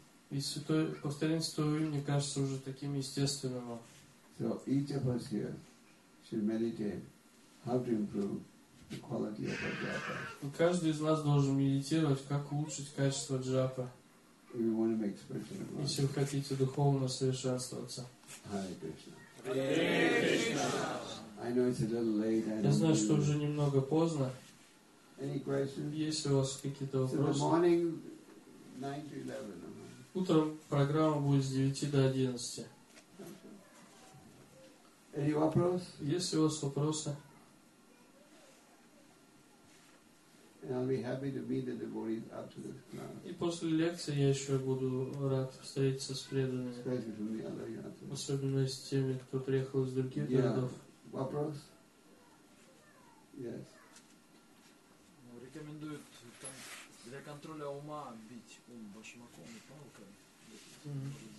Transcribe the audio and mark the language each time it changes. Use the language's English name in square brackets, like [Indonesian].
[Russian] И повторение Святого Имени кажется уже таким естественным. [English] So each of us here should meditate how to improve the quality of our japa. [Russian] И каждый из нас должен медитировать, как улучшить качество джапа. [English] If you want to make spiritual growth. [Russian] Если вы хотите духовно совершенствоваться. [English] Hare Krishna. Hare Krishna. I know it's a little late. [Russian] Я знаю, что уже немного поздно. [English] Any questions? [Russian] Есть у вас какие-то вопросы? [English] So the morning, 9 to 11. [Russian] Утром программа будет с 9 до 11. [English] Any [Russian] вопросы? Есть у вас вопросы? [English] And I'll be happy to meet the devotees after this class. [Russian] И после лекции я еще буду рад встретиться с преданными. Особенно с теми, кто приехал из других городов. Вопрос? [English] Yes. [Russian] Ну, рекомендуют там для контроля ума бить ум башмаком и палкой.